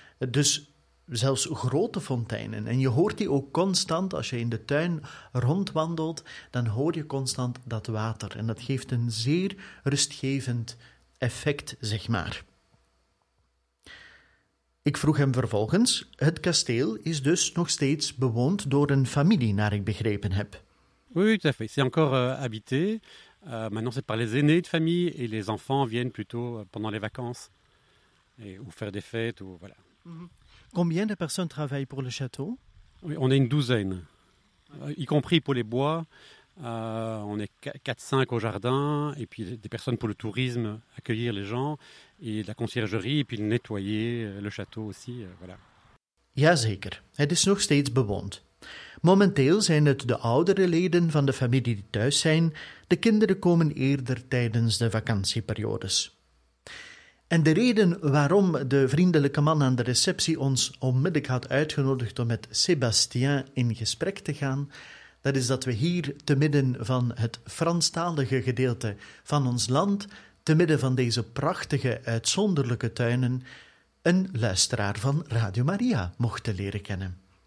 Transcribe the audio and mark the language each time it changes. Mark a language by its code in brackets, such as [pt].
[nl] Dus zelfs grote fonteinen. En je hoort die ook constant, als je in de tuin rondwandelt, dan hoor je constant dat water. En dat geeft een zeer rustgevend effect, zeg maar. Ik vroeg hem vervolgens, het kasteel is dus nog steeds bewoond door een familie, naar ik begrepen heb. [fr] Oui, tout à fait. C'est encore habité. Maintenant, c'est par les aînés de famille et les enfants viennent plutôt pendant les vacances et, ou faire des fêtes. Ou, voilà. Combien de personnes travaillent pour le château? Oui, on est une douzaine, y compris pour les bois. On est 4-5 au jardin et puis des personnes pour le tourisme, accueillir les gens et la conciergerie et puis nettoyer le château aussi. Voilà. [nl] Jazeker, het is nog steeds bewoond. Momenteel zijn het de oudere leden van de familie die thuis zijn. De kinderen komen eerder tijdens de vakantieperiodes. En de reden waarom de vriendelijke man aan de receptie ons onmiddellijk had uitgenodigd om met Sébastien in gesprek te gaan, dat is dat we hier, te midden van het Franstalige gedeelte van ons land, te midden van deze prachtige, uitzonderlijke tuinen, een luisteraar van Radio Maria mochten leren kennen.